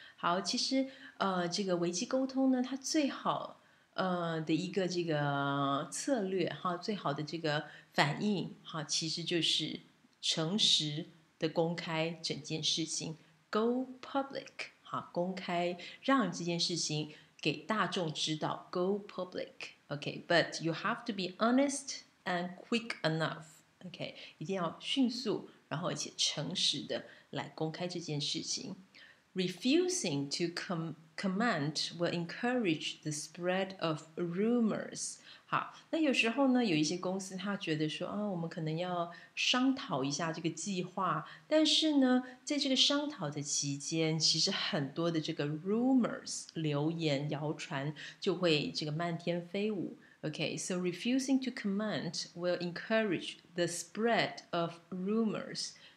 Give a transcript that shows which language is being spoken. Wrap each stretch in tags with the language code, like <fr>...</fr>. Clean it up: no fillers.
<zh>好，其实这个危机沟通呢，它最好的一个这个策略哈，最好的这个反应哈，其实就是诚实的公开整件事情 ，go public， 好，公开让这件事情给大众知道 ，go public。</zh> <en>Okay, but you have to be honest and quick enough.</en> <zh>Okay, 一定要迅速，然后而且诚实的来公开这件事情。</zh> <en>Refusing to comment will encourage the spread of rumors.</en> <zh>好，那有时候呢，有一些公司他觉得说，啊，我们可能要商讨一下这个计划，但是呢，在这个商讨的期间，其实很多的这个 rumors 流言谣传就会这个漫天飞舞。</zh> <en>Okay, so refusing to comment will encourage the spread of rumors.</en>